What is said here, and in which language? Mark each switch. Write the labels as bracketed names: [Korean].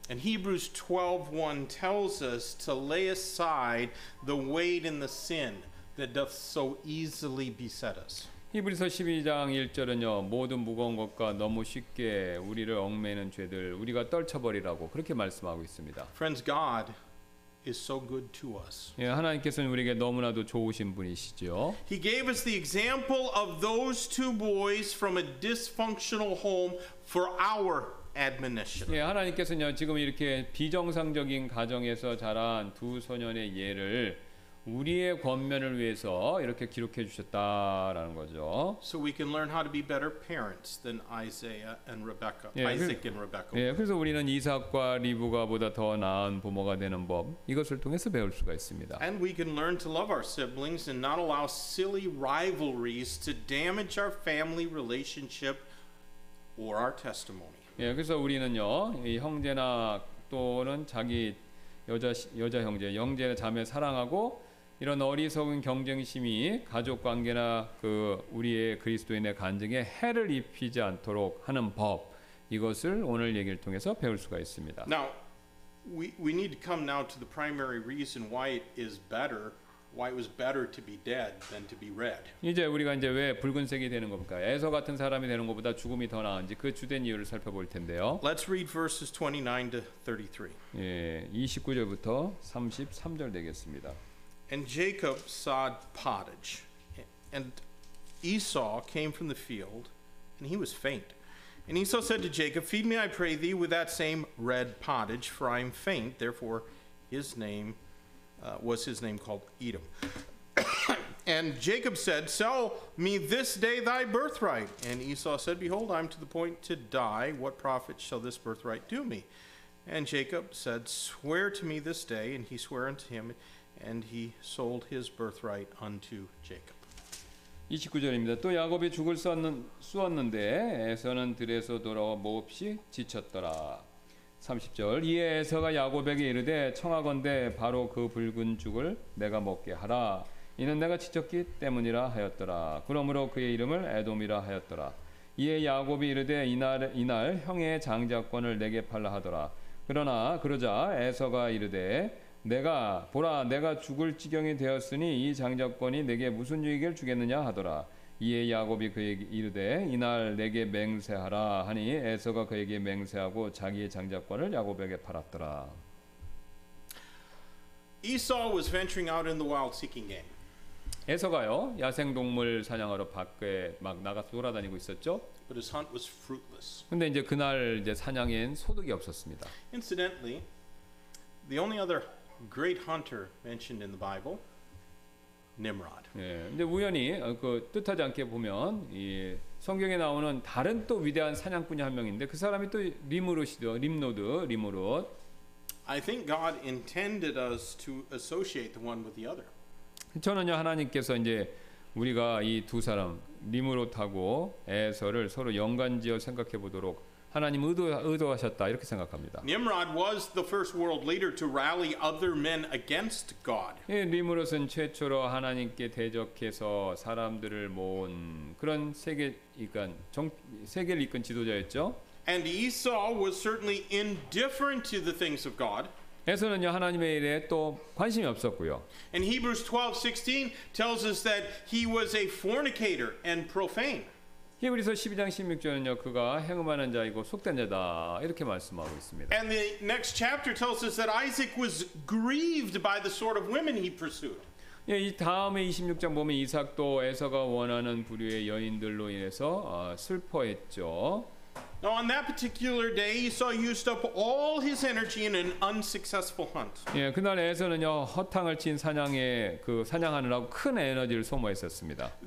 [English] And Hebrews 12:1 tells us to lay aside the weight and the sin that doth so easily beset us. [Korean] 히브리서 12장 1절은요. 모든 무거운 것과 너무 쉽게 우리를 얽매는 죄들 우리가 떨쳐버리라고 그렇게 말씀하고 있습니다. [English] Friends, God is so good to us. [Korean] 예, 하나님께서는 우리에게 너무나도 좋으신 분이시죠. [English] He gave us the example of those two boys from a dysfunctional home for our admonition. [Korean] 예, 하나님께서는요, 지금 이렇게 비정상적인 가정에서 자란 두 소년의 예를 우리의 권면을 위해서 이렇게 기록해 주셨다라는 거죠. [English] So we can learn how to be better parents than Isaiah and Rebecca, Isaac and Rebecca. [Korean] 예, 그래서 우리는 이삭과 리브가보다 더 나은 부모가 되는 법 이것을 통해서 배울 수가 있습니다. [English] And we can learn to love our siblings and not allow silly rivalries to damage our family relationship or our testimony. [Korean] 예, 그래서 우리는요 이 형제나 또는 자기 여자 형제, 형제 자매 사랑하고 이런 어리석은 경쟁심이 가족 관계나 그 우리의 그리스도인의 간증에 해를 입히지 않도록 하는 법 이것을 오늘 얘기를 통해서 배울 수가 있습니다. [English] Now we need to come now to the primary reason why it was better to be dead than to be red. [Korean] 이제 우리가 이제 왜 붉은색이 되는 겁니까? 에서 같은 사람이 되는 것보다 죽음이 더 나은지 그 주된 이유를 살펴볼 텐데요. [English] Let's read verses 29 to 33. [Korean] 예, 29절부터 33절 되겠습니다. [English] And Jacob saw pottage, and Esau came from the field, and he was faint. And Esau said to Jacob, "Feed me, I pray thee, with that same red pottage, for I am faint." Therefore, his name. Was his name called Edom. And Jacob said, "Sell me this day thy birthright." And Esau said, "Behold, I'm to the point to die. What profit shall this birthright do me?" And Jacob said, "Swear to me this day." And he swore unto him, and he sold his birthright unto Jacob. [Korean] 29절입니다. 또 야곱이 죽을 쑤었는데 에서는 들에서 돌아와 몹시 지쳤더라. 30절 이에 에서가 야곱에게 이르되 청하건대 바로 그 붉은 죽을 내가 먹게 하라 이는 내가 지쳤기 때문이라 하였더라 그러므로 그의 이름을 에돔이라 하였더라 이에 야곱이 이르되 이날 형의 장자권을 내게 팔라 하더라 그러나 그러자 에서가 이르되 내가 보라 내가 죽을 지경이 되었으니 이 장자권이 내게 무슨 유익을 주겠느냐 하더라 이에 야곱이 그에게 이르되 이날 내게 맹세하라 하니 에서가 그에게 맹세하고 자기의 장자권을 야곱에게 팔았더라. [English] Esau was venturing out in the wild seeking game. [Korean] 에서가요 야생 동물 사냥하러 밖에 막 나가서 돌아다니고 있었죠. [English] But his hunt was fruitless. [Korean] 근데 이제 그날 이제 사냥엔 소득이 없었습니다. [English] Incidentally, the only other great hunter mentioned in the Bible. Nimrod. [Korean] 예, 근데 우연히 그 뜻하지 않게 보면 이 성경에 나오는 다른 또 위대한 사냥꾼이 한 명인데 그 사람이 또 림노드. [English] I think God intended us to associate the one with the other. [Korean] 저는요 하나님께서 이제 우리가 이 두 사람 림노드하고 에서를 서로 연관지어 생각해 보도록 하나님 의도하셨다 이렇게 생각합니다. [English] Nimrod was the first world leader to rally other men against God. [Korean] 예, 니므롯은 최초로 하나님께 대적해서 사람들을 모은 그런 세계 그러니까 세계를 이끈 지도자였죠. [English] And Esau was certainly indifferent to the things of God. [Korean] 에서는요 하나님의 일에 또 관심이 없었고요. [English] And Hebrews 12:16 tells us that he was a fornicator and profane. [Korean] 히브리서 12장 16절은요 그가 행음하는 자이고 속된 자다 이렇게 말씀하고 있습니다. [English] And the next chapter tells us that Isaac was grieved by the sort of women he pursued. [Korean] 예, 이 다음에 26장 보면 이삭도 에서가 원하는 부류의 여인들로 인해서 슬퍼했죠. [English] Now on that particular day, Esau used up all his energy in an unsuccessful hunt. [Korean] 예, 그날 에서는요 허탕을 친 사냥에 그 사냥하느라고 큰 에너지를 소모했었습니다.